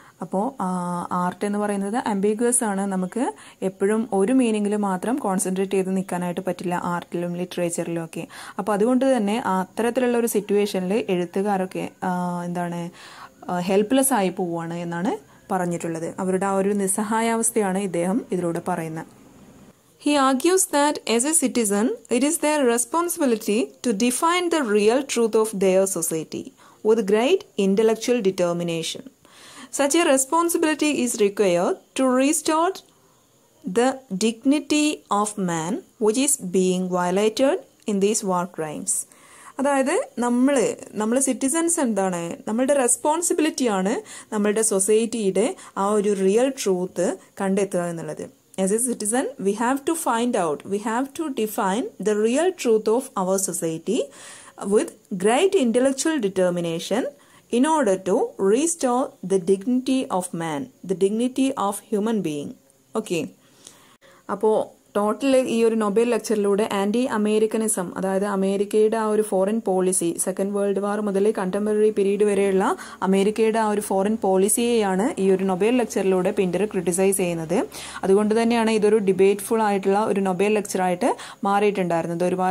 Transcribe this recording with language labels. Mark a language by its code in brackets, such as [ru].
[ml] അപ്പോൾ ആർട്ട് എന്ന് പറയുന്നത് ആംബിഗ്വസ് ആണ്. നമുക്ക് എപ്പോഴും ഒരു മീനിങ്ങിൽ മാത്രം കോൺസെൻട്രേറ്റ് ചെയ്ത് നിൽക്കാനായിട്ട് പറ്റില്ല ആർട്ടിലും ലിറ്ററേച്ചറിലും ഒക്കെ. അപ്പോൾ അതുകൊണ്ട് തന്നെ അത്തരത്തിലുള്ള ഒരു സിറ്റുവേഷനിൽ എഴുത്തുകാരൊക്കെ എന്താണ് ഹെൽപ്ലെസ് ആയി പോവുകയാണ് എന്നാണ് പറഞ്ഞിട്ടുള്ളത്. അവരുടെ ആ ഒരു നിസ്സഹായാവസ്ഥയാണ് ഇദ്ദേഹം ഇതിലൂടെ പറയുന്നത്. [en] He argues that as a citizen, it is their responsibility to define the real truth of their society with great intellectual determination. Such a responsibility is required to restore the dignity of man which is being violated in these war crimes. [ml] അതായത് നമ്മൾ citizens എന്താണ്, നമ്മളുടെ റെസ്പോൺസിബിലിറ്റിയാണ് നമ്മളുടെ സൊസൈറ്റിയുടെ ആ ഒരു real truth കണ്ടെത്തുക എന്നുള്ളത്. [en] As a citizen, we have to find out, we have to define the real truth of our society with great intellectual determination in order to restore the dignity of man, the dignity of human being. Okay. [ml] അപ്പോൾ total ഈ ഒരു Nobel ലെക്ചറിലൂടെ anti അമേരിക്കനിസം, അതായത് അമേരിക്കയുടെ ആ ഒരു foreign policy, second world war മുതൽ contemporary period വരെയുള്ള അമേരിക്കയുടെ ആ ഒരു ഫോറിൻ പോളിസിയെയാണ് ഈ ഒരു നൊബേൽ ലെക്ചറിലൂടെ പിന്റർ ക്രിട്ടിസൈസ് ചെയ്യുന്നത്. അതുകൊണ്ട് തന്നെയാണ് ഇതൊരു ഡിബേറ്റ്ഫുൾ ആയിട്ടുള്ള ഒരു നൊബേൽ ലെക്ചറായിട്ട് മാറിയിട്ടുണ്ടായിരുന്നത്.